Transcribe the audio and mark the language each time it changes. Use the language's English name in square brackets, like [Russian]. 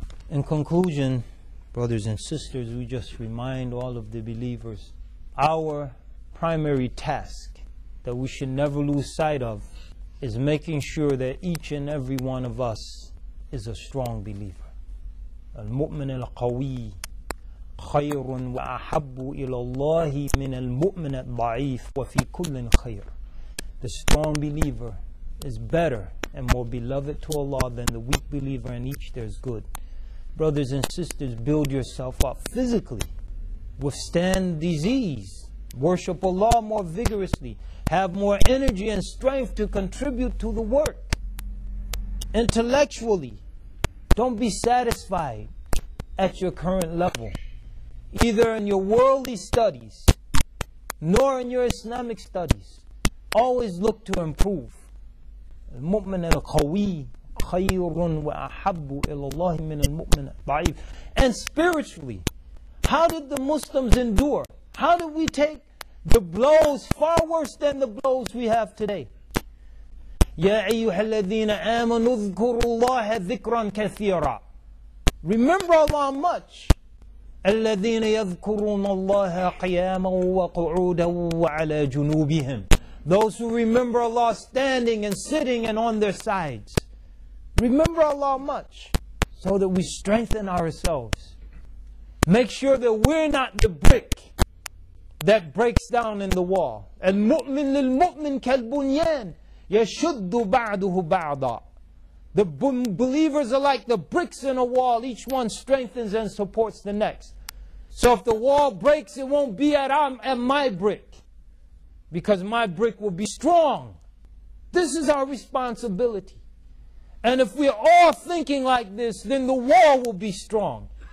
[English] In conclusion, brothers and sisters, we just remind all of the believers, our primary task that we should never lose sight of is making sure that each and every one of us is a strong believer. [Arabic] المؤمن القوي خير وأحب إلى الله من المؤمن الضعيف وفي كل خير. [English] The strong believer is better and more beloved to Allah than the weak believer, and each there's good. Brothers and sisters, build yourself up physically. Withstand disease. Worship Allah more vigorously. Have more energy and strength to contribute to the work. Intellectually, don't be satisfied at your current level, either in your worldly studies nor in your Islamic studies. Always look to improve. [Arabic] المؤمن القوي خير وأحب إلى الله من المؤمن الضعيف. [English] And spiritually, how did the Muslims endure? How did we take the blows far worse than the blows we have today? [Arabic] يا أيها الذين آمنوا اذكروا الله ذكرا كثيرا. [English] Remember Allah much. [Arabic] الذين يذكرون الله قياما وقعودا وعلى جنوبهم. [English] Those who remember Allah standing and sitting and on their sides. Remember Allah much so that we strengthen ourselves. Make sure that we're not the brick that breaks down in the wall. [Arabic] المؤمن للمؤمن كالبنيان يشد بعضه بعضا. [English] The believers are like the bricks in a wall. Each one strengthens and supports the next. So if the wall breaks, it won't be at my brick, because my brick will be strong. This is our responsibility. And if we are all thinking like this, then the wall will be strong.